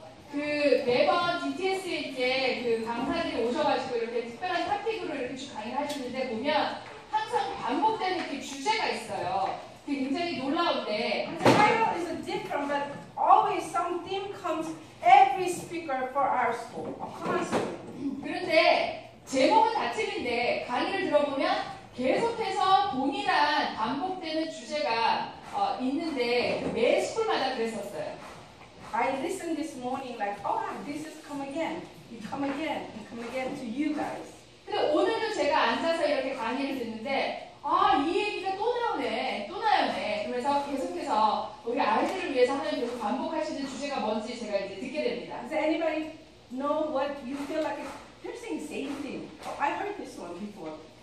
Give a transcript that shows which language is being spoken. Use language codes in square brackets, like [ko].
[ko] 그 매번 BTS에 이제 그 강사들이 오셔가지고 이렇게 특별한 탑픽으로 이렇게 강의하시는데 보면 항상 반복되는 이렇게 주제가 있어요. 그게 굉장히 놀라운데. [en] Title is different, but always some theme comes every speaker for our school. Constantly. [ko] 그런데 제목은 다 틀린데 강의를 들어보면 계속해서 동일한 반복되는 주제가 있는데 매 스쿨마다 그랬었어요. [en] I listened this morning like, oh, this is come again, you come again, you come again to you guys. [ko] 근데 오늘도 제가 앉아서 이렇게 강의를 듣는데 아, 이 얘기가 또 나오네, 또 나오네. 그래서 계속해서 우리 아이들을 위해서 하나님 계속 반복하시는 주제가 뭔지 제가 이제 듣게 됩니다. [en] Does anybody know what you feel like? They're saying the same thing. Oh, I heard this one before.